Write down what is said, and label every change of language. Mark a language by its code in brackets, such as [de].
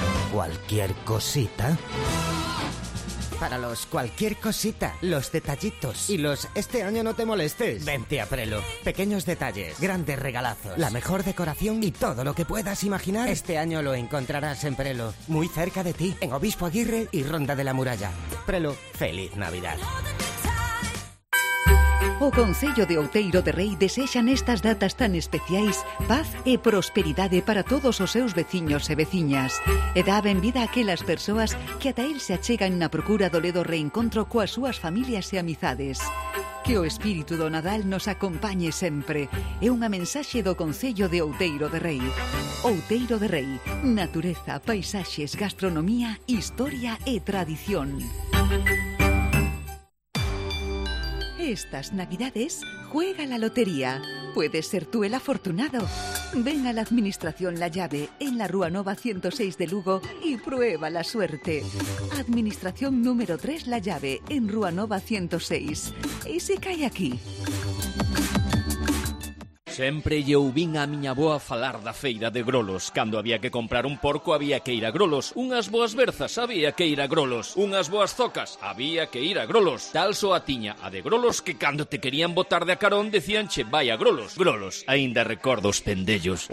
[es] Cualquier cosita. Para los cualquier cosita, los detallitos y los este año no te molestes, vente a Prelo. Pequeños detalles, grandes regalazos, la mejor decoración y todo lo que puedas imaginar, este año lo encontrarás en Prelo, muy cerca de ti, en Obispo Aguirre y Ronda de la Muralla. Prelo, feliz Navidad. [gl] O Concello de Outeiro de Rei desexan estas datas tan especiais paz e prosperidade para todos os seus veciños e veciñas. E dá ben vida a aquelas persoas que ata el se achegan na procura do ledo reencontro coas súas familias e amizades. Que o espírito do Nadal nos acompañe sempre. É unha mensaxe do Concello de Outeiro de Rei. Outeiro de Rei. Natureza, paisaxes, gastronomía, historia e tradición. [es] Estas Navidades juega la lotería. Puedes ser tú el afortunado. Ven a la Administración La Llave en la Rúa Nova 106 de Lugo y prueba la suerte. Administración número 3 La Llave en Rúa Nova 106. Y se cae aquí. [gl] Sempre lle ouvín a miña avoa falar da feira de Grolos. Cando había que comprar un porco, había que ir a Grolos. Unhas boas berzas, había que ir a Grolos. Unhas boas zocas, había que ir a Grolos. Tal soa tiña a de Grolos, que cando te querían botar de a carón, decían che vai a Grolos. Grolos, aínda recordo os pendellos.